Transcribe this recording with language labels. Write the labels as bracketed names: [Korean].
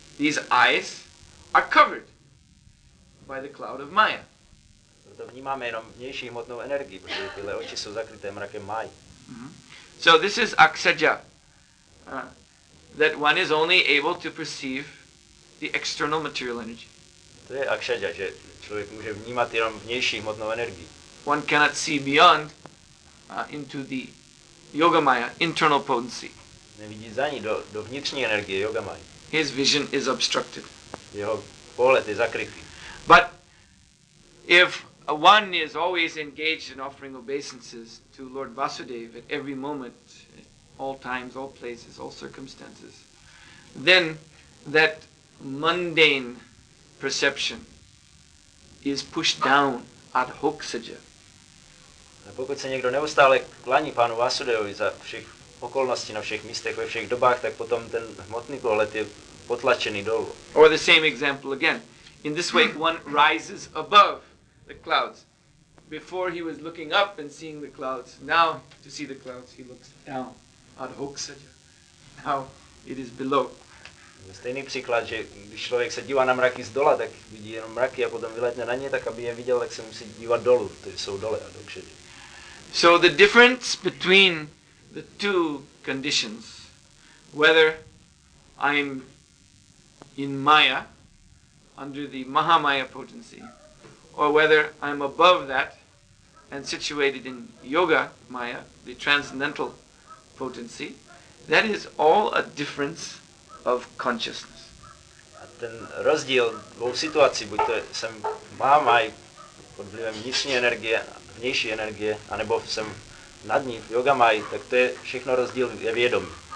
[English] These eyes are covered by the cloud of Maya. [Czech] Proto vnímáme jenom vnější hmotnou energii, protože tyhle oči jsou zakryté mrakem Mayi. [English] So this is Aksaja, that one is only able to perceive the external material energy. [Czech] To je Aksaja, že člověk může vnímat jenom vnější hmotnou energii. [English] One cannot see beyond into the yoga maya, internal potency. [Czech] Nevidí za ní do vnitřní energie yoga maya. [English] His vision is obstructed. [Czech] Jeho pohled je zakrytý. [English] But if one is always engaged in offering obeisances to Lord Vasudev at every moment, all times, all places, all circumstances, then that mundane perception is pushed down ad hoc saja. [Czech] A pokud se někdo neustále klaní pánu Vasudevovi za všech okolností, na všech místech, ve všech dobách, tak potom ten hmotný pohled je potlačený dolů. [English] Or the same example again. In this way one rises above the clouds. Before he was looking up and seeing the clouds. Now to see the clouds he looks down. Adhoksaja. Now it is below. [Czech] Stejný příklad, že když člověk se dívá na mraky z dola, tak vidí jenom mraky a potom vyletne na ně, tak aby je viděl, tak se musí dívat dolů, protože jsou dole a dokšedí. [English] So the difference between the two conditions, whether I'm in Maya, under the Mahamaya potency, or whether I'm above that and situated in Yoga Maya, the transcendental potency, That is all a difference of consciousness. [Czech] A ten rozdíl v situaci, buď to jsem mám aj pod vlivem vnitřní energie, vnější energie, anebo jsem nad ní v yoga mají, tak to je všechno rozdíl je vědomí.